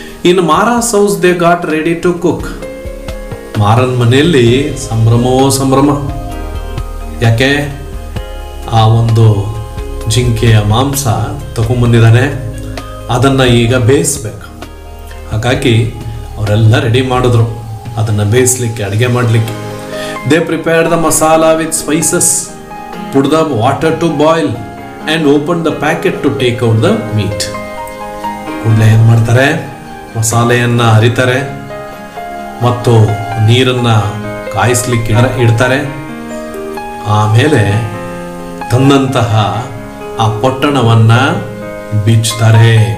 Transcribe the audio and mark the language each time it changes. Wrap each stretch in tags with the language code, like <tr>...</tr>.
<en>In Maran's house they got ready to cook.</en> <kn>Maran ಮನೆಯಲ್ಲಿ ಸಂಭ್ರಮವೋ ಸಂಭ್ರಮ, ಯಾಕೆ ಆ ಒಂದು ಜಿಂಕೆಯ ಮಾಂಸ ತಗೊಂಬಂದಿದ್ದಾನೆ, ಅದನ್ನು ಈಗ ಬೇಯಿಸ್ಬೇಕು. ಹಾಗಾಗಿ ಅವರೆಲ್ಲ ರೆಡಿ ಮಾಡಿದ್ರು ಅದನ್ನು ಬೇಯಿಸ್ಲಿಕ್ಕೆ, ಅಡುಗೆ ಮಾಡಲಿಕ್ಕೆ.</kn> <en>They prepared the masala with spices. put the water to boil and open the packet to take out the meat.</en> <kn>ಕೂಡಲೇ ಏನು ಮಾಡ್ತಾರೆ, ಮಸಾಲೆಯನ್ನು ಹರಿತಾರೆ ಮತ್ತು ನೀರನ್ನು ಕಾಯಿಸ್ಲಿಕ್ಕೆ ಇಡ್ತಾರೆ. ಆಮೇಲೆ ತನ್ನಂತಹ ಆ ಪೊಟ್ಟಣವನ್ನು ಬಿಚ್ಚುತ್ತಾರೆ.</kn>